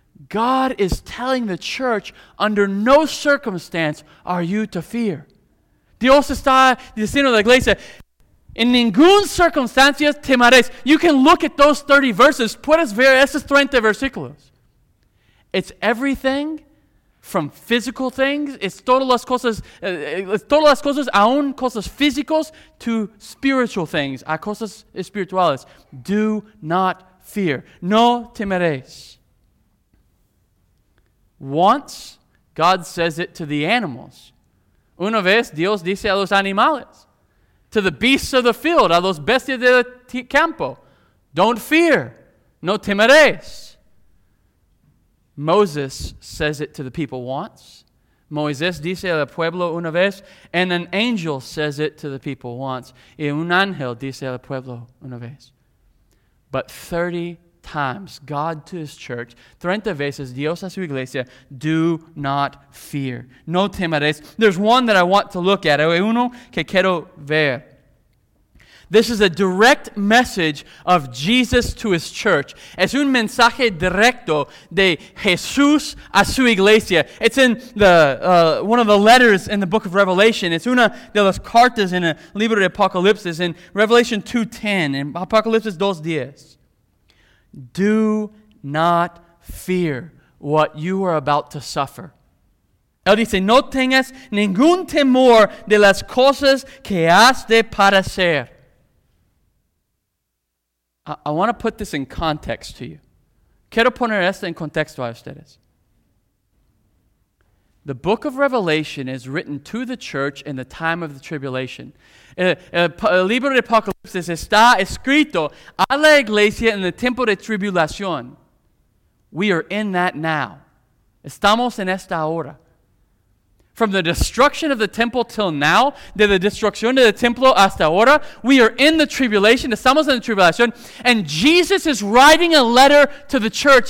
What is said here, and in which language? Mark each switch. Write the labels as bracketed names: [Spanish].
[English] God is telling the church, under no circumstance are you to fear. [Spanish] Dios está diciendo a la iglesia, en ningún circunstancia temeres. [English] You can look at those 30 verses. [Spanish] Puedes ver esos 30 versículos. [English] It's everything from physical things. [Spanish] It's todas las cosas, aún cosas físicas, [English] to spiritual things, [Spanish] a cosas espirituales. [English] Do not fear. [Spanish] No temeres. [English] Once, God says it to the animals. [Spanish] Una vez, Dios dice a los animales. [English] To the beasts of the field, [Spanish] a los bestias del campo. [English] Don't fear. [Spanish] No temeres. [English] Moses says it to the people once. [Spanish] Moisés dice al pueblo una vez. [English] And an angel says it to the people once. [Spanish] Y un ángel dice al pueblo una vez. [English] But 30 times, God to his church, [Spanish] 30 veces, Dios a su iglesia, [English] do not fear. [Spanish] No temeres. [English] There's one that I want to look at. [Spanish] Hay uno que quiero ver. [English] This is a direct message of Jesus to his church. [Spanish] Es un mensaje directo de Jesús a su iglesia. [English] It's in the one of the letters in the book of Revelation. [Spanish] It's una de las cartas en el libro de Apocalipsis [English] in Revelation 2:10 and [Spanish] Apocalipsis 2:10. [English] Do not fear what you are about to suffer. [Spanish] Él dice, no tengas ningún temor de las cosas que has de padecer. [English] I want to put this in context to you. [Spanish] Quiero poner esto en contexto a ustedes. [English] The book of Revelation is written to the church in the time of the tribulation. [Spanish] El libro de Apocalipsis está escrito a la iglesia en el tiempo de tribulación. [English] We are in that now. [Spanish] Estamos en esta hora. [English] From the destruction of the temple till now, [Spanish] de la destrucción del templo hasta ahora, [English] we are in the tribulation, [Spanish] estamos en la tribulación, [English] and Jesus is writing a letter to the church.